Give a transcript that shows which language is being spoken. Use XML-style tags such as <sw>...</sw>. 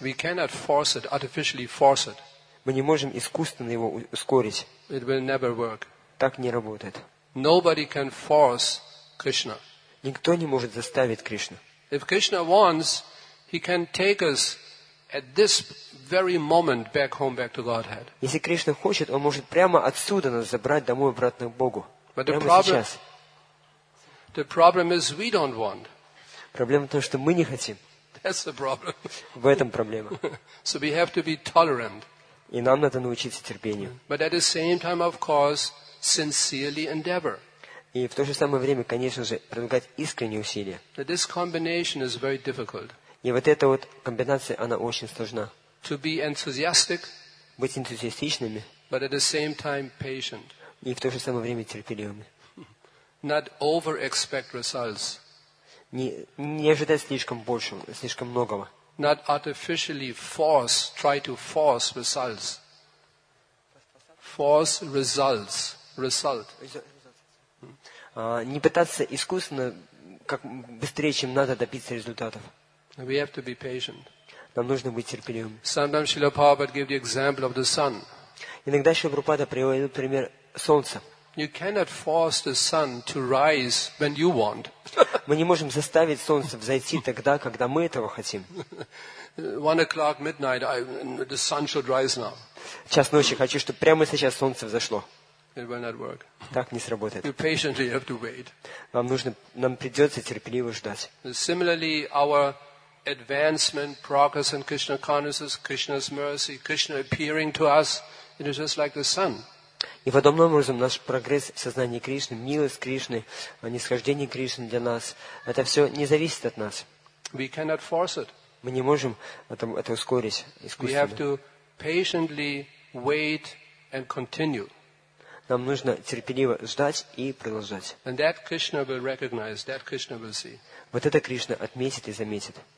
<en>We cannot force it, artificially force it.</en> <ru>Мы не можем искусственно его ускорить.</ru> <en>It will never work.</en> <ru>Так не работает.</ru> <en>Nobody can force Krishna.</en> <ru>Никто не может заставить Кришну.</ru> <en>If Krishna wants, he can take us at this very moment back home, back to Godhead.</en> <ru>Если Кришна хочет, он может прямо отсюда нас забрать домой обратно к Богу.</ru> <en>But the problem is we don't want.</en> <ru>Проблема в том, что мы не хотим.</ru> <en>That's the problem.</en> <ru>В этом проблема.</ru> <en>So we have to be tolerant.</en> <ru>И нам надо научиться терпению.</ru> <en>But at the same time, of course, sincerely endeavor.</en> <ru>И в то же самое время, конечно же, прилагать искренние усилия.</ru> <en>That this combination is very difficult.</en> <ru>И вот эта вот комбинация, она очень сложна.</ru> <en>To be enthusiastic.</en> <ru>Быть энтузиастичными.</ru> <en>But at the same time, patient.</en> <ru>И в то же самое время терпеливыми.</ru> <en>Not over expect results.</en> <ru>Не ожидать слишком большего, слишком многого.</ru> <en>Not artificially force, try to force results. Force results. Result.</en> <ru>Не пытаться искусственно, как быстрее, чем надо, добиться результатов.</ru> <en>We have to be patient.</en> <ru>Нам нужно быть терпеливым.</ru> <en>Sometimes Srila Prabhupada gave the example of the sun.</en> <ru>Иногда Шрила Прабхупада приводил пример солнца.</ru> <en>You cannot force the sun to rise when you want.</en> <ru>Мы не можем заставить солнце взойти тогда, когда мы этого хотим.</ru> <en>1 o'clock midnight, the sun should rise now.</en> <ru>Час ночи, хочу, чтобы прямо сейчас солнце взошло.</ru> <en>It will not work.</en> <ru>Так не сработает.</ru> <en>You patiently have to wait.</en> <ru>Нам придется терпеливо ждать.</ru> <en>Similarly, our advancement, progress in Krishna consciousness, Krishna's mercy, Krishna appearing to us, it is just like the sun.</en> <ru>И подобным образом наш прогресс в сознании Кришны, милость Кришны, нисхождение Кришны для нас, это все не зависит от нас.</ru> <en>We cannot force it.</en> <ru>Мы не можем это ускорить искусственно.</ru> <en>We have to patiently wait and continue.</en> <ru>Нам нужно терпеливо ждать и продолжать.</ru> <en>And that Krishna will recognize, that Krishna will see.</en> <ru>Вот это Кришна отметит и заметит.</ru>